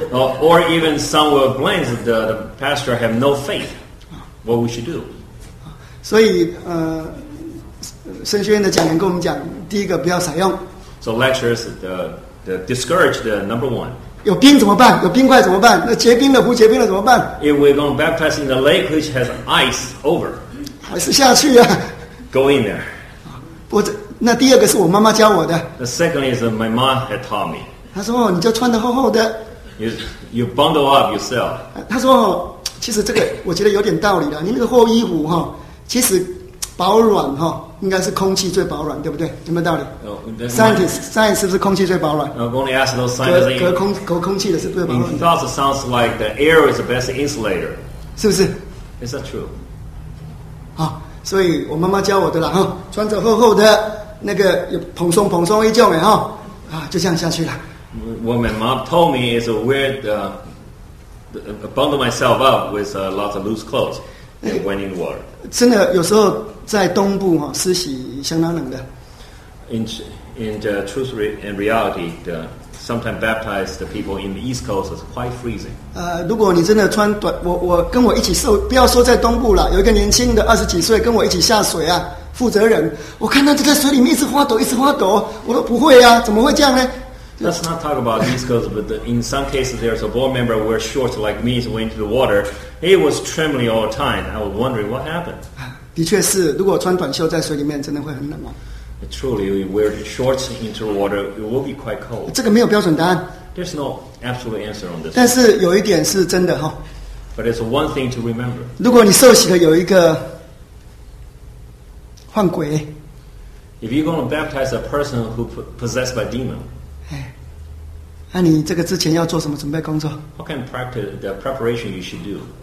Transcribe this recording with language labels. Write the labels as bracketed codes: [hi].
[en] ？Or even some will blame the pastor have no faith. What we should do? [zh] 所以神学院的讲员跟我们讲，第一个不要采用。 [en] So lectures the discourage the number one. [zh] 有冰怎么办？有冰块怎么办？那结冰了不结冰了怎么办 [en] ？If we're going to baptize in the lake which has ice over, [zh] 还是下去啊 [en] ？Go in there. [zh] 不，那第二个是我妈妈教我的。 [en] The second is my mom had taught me. [zh] 她说你就穿得厚厚的。 [en] You bundle up yourself. [zh] 她说其实这个我觉得有点道理了。你那个厚衣服哈，其实保暖哈。应该是空气最保暖，对不对？有没有道理、 [en] Scientist [zh] 是不是空气最保暖 [en] ？I'm going to ask those scientists. [zh] 隔空气的是最保暖。 [en] In thoughts, it sounds like the air is the best insulator. [zh] 是不是 [en] ？Is that true? [zh] 好，所以我妈妈教我的啦，哈，穿着厚厚的那个蓬松蓬松一件哎，哈，啊，就这样下去了。 [en] What my mom told me is wear the bundle myself up with lots of loose clothes and went in the water. [zh] 真的，有时候。在东部哈，实习相当冷的。 [en] In the truth and reality, the sometimes baptized the people in the East Coast is quite freezing. [zh] 如果你真的穿短，我跟我一起受，不要说在东部了，有一个年轻的二十几岁跟我一起下水啊，负责人，我看他就在水里面一直发抖，一直发抖，我都不会啊，怎么会这样呢？ [en] Let's not talk about East Coast, but in some cases, there's a board member who wears shorts like me who went into the water. He was trembling all the time. I was wondering what happened. [zh] 的确是，如果穿短袖在水里面，真的会很冷哦。 [en] Truly, you wear shorts into water, it will be quite cold. [zh] 这个没有标准答案。 [en] There's no absolute answer on this. [zh] 但是有一点是真的哈。 [en] But it's one thing to remember. [zh] 如果你受洗了有一个换鬼 [en] ，If you're going to baptize a person who possessed by demon, [zh] 哎，那你这个之前要做什么准备工作 [en] ？What kind of practice, the preparation you should do?